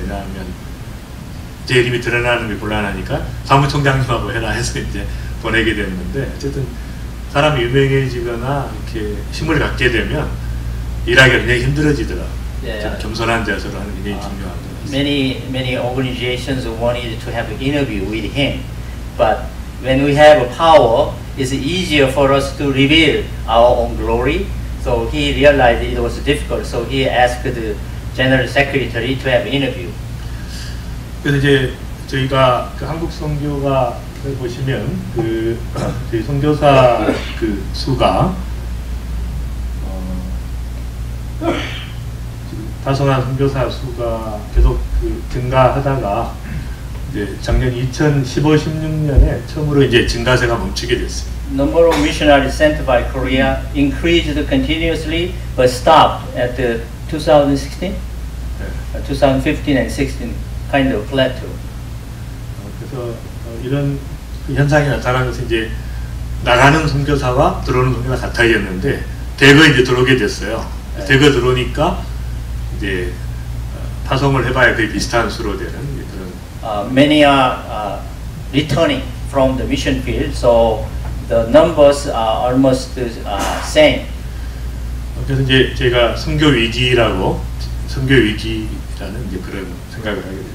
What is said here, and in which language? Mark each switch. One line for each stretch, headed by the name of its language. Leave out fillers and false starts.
Korean: 왜냐하면 제 이름이 드러나는 게 곤란하니까 사무총장님하고 해라 해서 이제 보내게 됐는데 어쨌든 사람이 유명해지거나 이렇게 힘을 갖게 되면 일하기가 굉장히 힘들어지더라고요. 겸손한 자세로 하는 게 굉장히 중요합니다.
English: Many organizations wanted to have an interview with him, but when we have a power, it's easier for us to reveal our own glory. So he realized it was difficult. So he asked the general secretary to have an interview.
Korean: 그래서 이제 저희가 그 한국 선교가를 보시면 그 저희 선교사 그 수가 다성한 선교사 수가 계속 그 증가하다가 이제 작년 2015-16년에 처음으로 이제 증가세가 멈추게 됐어요.
English: Number of missionaries sent by Korea increased continuously but stopped at the 2016, 2015 and 16 kind of plateau.
Korean: 그래서 이런 그 현상이 나타난 것은 이제 나가는 선교사와 들어오는 선교사 같아졌는데 대거 이제 들어오게 됐어요. 대거 들어오니까 이제 파송을 해봐야 그 비슷한 수로 되는 그런.
English: Many are returning from the mission field, so the numbers are almost same.
Korean: 그래서 이제 제가 선교 위기라고 선교 위기라는 이제 그런 생각을 하게 됐어요.